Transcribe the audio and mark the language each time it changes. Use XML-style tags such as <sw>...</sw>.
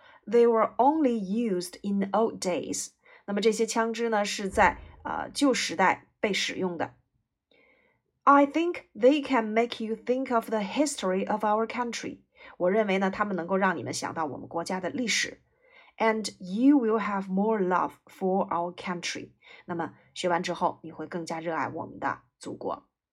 <en>They were only used in the old days.</en> <zh>那么这些枪支呢是在旧时代被使用的。</zh> <en>I think they can make you think of the history of our country.</en> <zh>我认为呢他们能够让你们想到我们国家的历史。</zh> <en>And you will have more love for our country.</en> <zh>那么学完之后你会更加热爱我们的祖国。</zh>